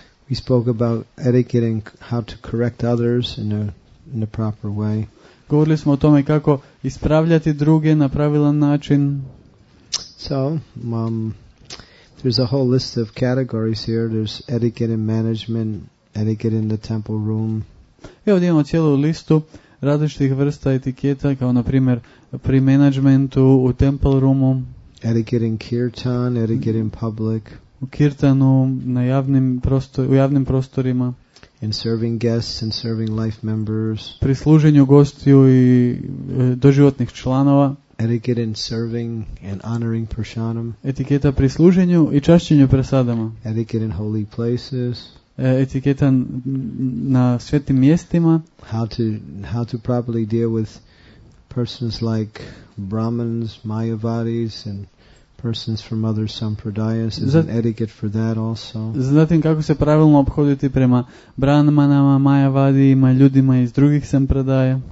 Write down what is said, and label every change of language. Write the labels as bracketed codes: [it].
[en] We spoke about etiquette and how to correct others in a proper way. [hr] Govorili smo o tome kako ispravljati druge na pravilan način. [en] So, there's a whole list of categories here. There's etiquette in management, etiquette in the temple room. [hr] I ovdje imamo cijelu listu različitih vrsta etiketa, kao na primjer pri menadžmentu u temple roomu. [en] Etiquette in kirtan, etiquette in public. [hr] U kirtanu, u javnim prostorima. [en] In serving guests and serving life members. [hr] Pri služenju gostiju i doživotnih članova. [en] Etiquette in serving and honoring prasadam. [hr] Etiketa pri služenju i čašćenju prasadama. [en] Etiquette in holy places. [hr] Etiketa na svetim mjestima. [en] How to properly deal with persons like Brahmins, Mayavadis, and persons from other sampradayas, is an etiquette for that also. [hr] Zatim kako se pravilno obhoditi prema brahmanama, majavadijima, ljudima iz drugih sampradaja.